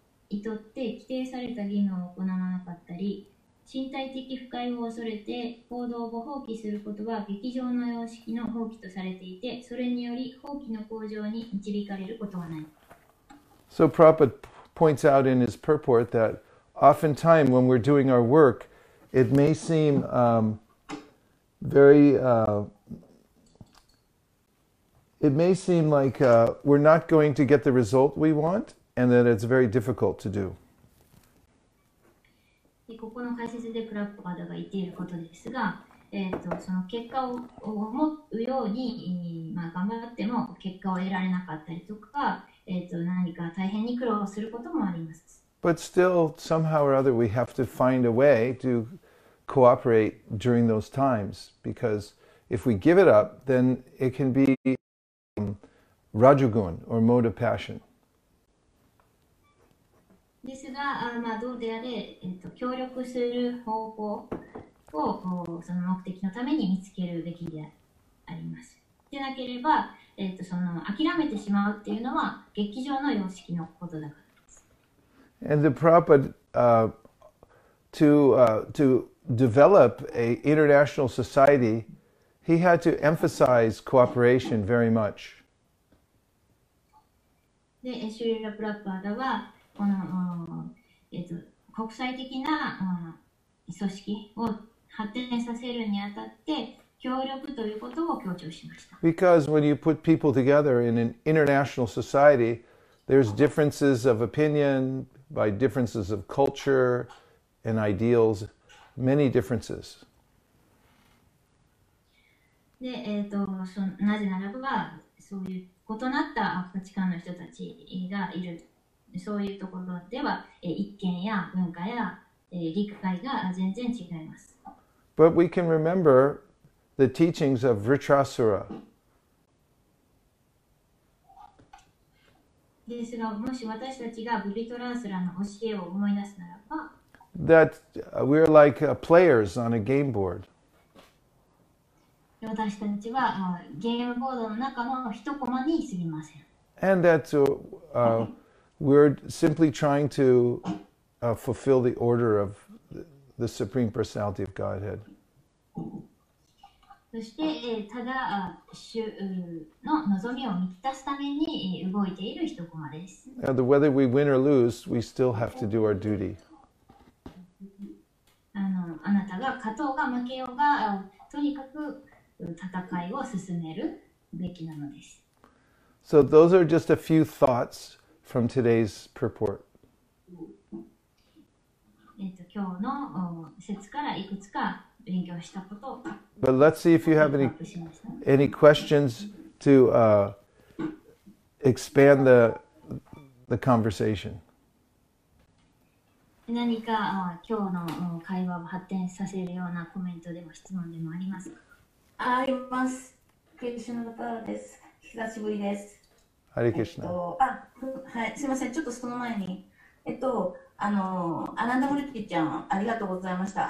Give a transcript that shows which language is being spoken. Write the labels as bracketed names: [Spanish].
[Japanese] にとって規定された義務を行わなかったり、身体的不快を恐れて行動を放棄することは劇場の様式の放棄とされていて、それにより放棄の向上に導かれることはない。 [English] So Prabhupada points out in his purport that oftentimes when we're doing our work, it may seem like we're not going to get the result we want. And that it's very difficult to do. [Japanese] ここの解説でクラッパードが言っていることですが、その結果を思うように、頑張っても結果を得られなかったりとか、何か大変に苦労することもあります。 [English] But still, somehow or other, we have to find a way to cooperate during those times. Because if we give it up, then it can be rajogun or mode of passion. [Japanese] ですが、どうであれ、協力する方法をその目的のために見つけるべきであります。でなければ、その諦めてしまうっていうのは劇場の様式のことだからです。 [English] And the Prabhupada, to develop a international society, he had to emphasize cooperation very much. [Japanese] で、シュリラ・プラッパダは、この国際的な組織を発展させるにあたって協力ということを強調しました。 [English] Because when you put people together in an international society, there's differences of opinion, by differences of culture and ideals, many differences. [Japanese] で、なぜならば、そういう異なった価値観の人たちがいる。そういうところでは、意見や文化や、理解が全然違います。 [English] But we can remember the teachings of Vritrasura. [Japanese] ですが、もし私たちがヴリトラスラの教えを思い出すならば、 [English] That we are like players on a game board. [Japanese] 私たちはゲームボードの中の一コマにすぎません。 [English] And that's We're simply trying to fulfill the order of the Supreme Personality of Godhead. [Japanese] そして、ただ、主の望みを満たすために動いている一コマです。 [English] And whether we win or lose, we still have to do our duty. [Japanese] あなたが勝とうが負けようが、とにかく戦いを進めるべきなのです。 [English] So those are just a few thoughts. From today's purport. [Japanese] 今日の説からいくつか勉強したこと。 [English] But let's see if you have any questions to expand the conversation. [Japanese] 何か今日の会話を発展させるようなコメントでも質問でもありますか？あります。クリシュナパラです。久しぶりです。ハリクリシュナ。はい、すいません、ちょっとその前に、アナンダムルティちゃん、ありがとうございました。